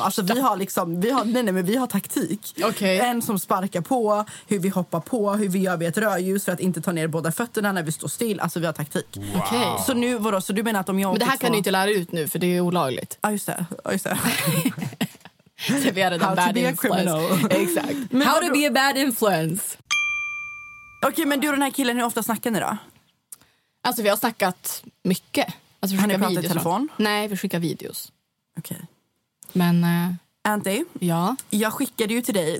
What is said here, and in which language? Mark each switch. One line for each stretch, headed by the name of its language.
Swedish: Alltså, vi har liksom... Vi har taktik.
English: Okay.
Swedish: En som sparkar på, hur vi hoppar på, hur vi gör vid ett rödljus för att inte ta ner båda fötterna när vi står still. Alltså, vi har taktik.
English: Okay.
Swedish: Så nu, vadå? Så du menar att om jag... Det här kan ni inte lära ut nu, för det är olagligt. Ja, just det. Ja, just det. Så vi hade
English: how to be a criminal.
Swedish: Exakt.
English: Men how to be a bad influence.
Swedish: Okej, men du och den här killen, hur ofta snackar ni då? Alltså, vi har snackat mycket. Alltså, har ni pratat i telefon? Nej, vi skickar videos. Okej.
English: Okay. Men...
Swedish: Andy? Ja? Jag skickade ju till dig.